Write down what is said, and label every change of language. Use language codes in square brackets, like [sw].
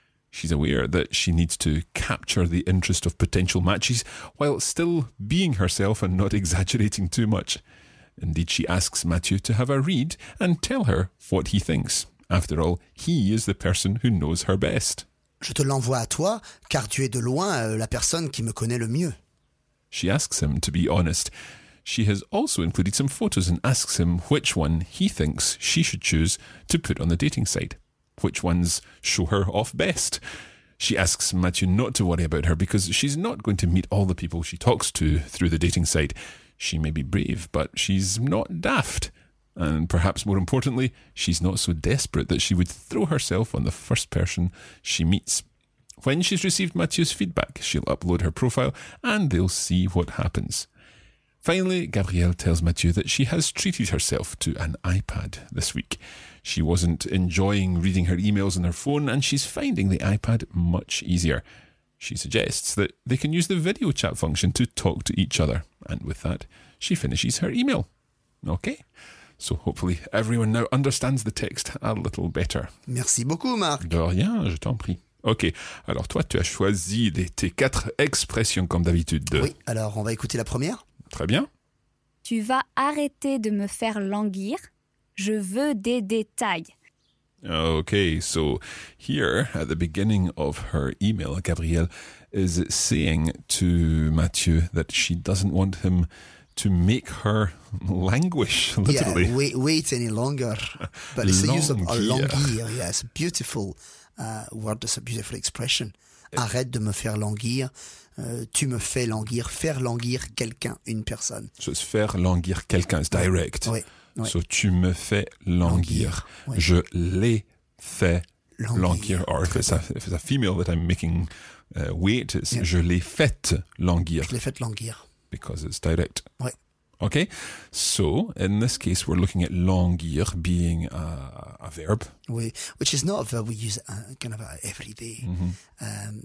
[en] She's aware that she needs to capture the interest of potential matches while still being herself and not exaggerating too much. Indeed, she asks Mathieu to have a read and tell her what he thinks. After all, he is the person who knows her best. [fr] Je te l'envoie à toi, car tu es de loin la personne qui me connaît le mieux. [en] She asks him to be honest. She has also included some photos and asks him which one he thinks she should choose to put on the dating site. Which ones show her off best? She asks Mathieu not to worry about her because she's not going to meet all the people she talks to through the dating site. She may be brave, but she's not daft. And perhaps more importantly, she's not so desperate that she would throw herself on the first person she meets. When she's received Mathieu's feedback, she'll upload her profile and they'll see what happens. Finally, Gabrielle tells Mathieu that she has treated herself to an iPad this week. She wasn't enjoying reading her emails on her phone and she's finding the iPad much easier. She suggests that they can use the video chat function to talk to each other. And with that, she finishes her email. Okay, so hopefully everyone now understands the text a little better. [fr] Merci beaucoup, Marc. De rien, je t'en prie. Ok, alors toi, tu as choisi tes 4 expressions comme d'habitude. Oui, alors on va écouter la première. Très bien. Tu vas arrêter de me faire languir. Je veux des détails. [en] Ok, so here at the beginning of her email, Gabrielle is saying to Mathieu that she doesn't want him to make her languish, literally. Yeah, wait any longer. But it's the use of a languir. Yeah, it's a beautiful word, it's a beautiful expression. [fr] Arrête de me faire languir. Tu me fais languir. Faire languir quelqu'un, une personne. [en] So it's [fr] faire languir quelqu'un, [en] it's direct. [fr] Oui. Ouais. So, tu me fais languir. Ouais. Je l'ai fait [en] languir, or if it's a, if it's a female that I'm making wait, it's yeah. [fr] Je l'ai faite languir. Je l'ai faite languir. [en] Because it's direct. [fr] Ouais. [en] Okay, so in this case, we're looking at languir being a verb. Oui, which is not a verb we use kind of every day. Mm-hmm.